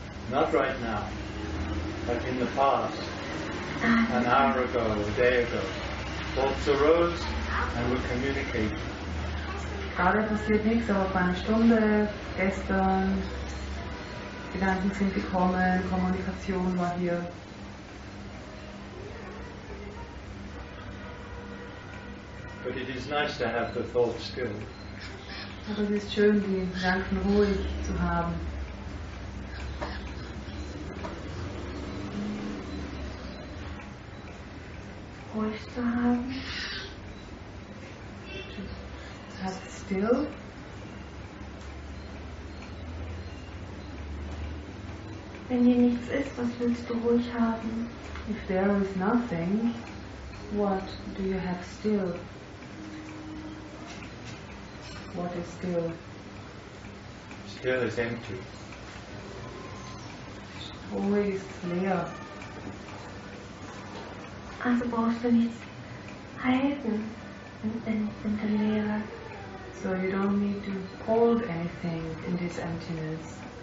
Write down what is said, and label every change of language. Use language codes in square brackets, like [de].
[en] Not right now, but in the past, an hour ago, a day ago, thoughts arose and were communicated. [de] Gerade passiert nichts, aber vor einer Stunde, gestern, Gedanken sind gekommen, Kommunikation war hier. [en] But it is nice to have the thought still. [de] Aber es ist schön, die Gedanken ruhig zu haben. Ruhig zu haben. [en] To have still. [de] Wenn hier nichts ist, was willst du ruhig haben? [en] If there is nothing, what do you have still? What is still? Still is empty. Always leer. [de] Also brauchst du nichts halten in der Leere. [en] So you don't need to hold anything in this emptiness.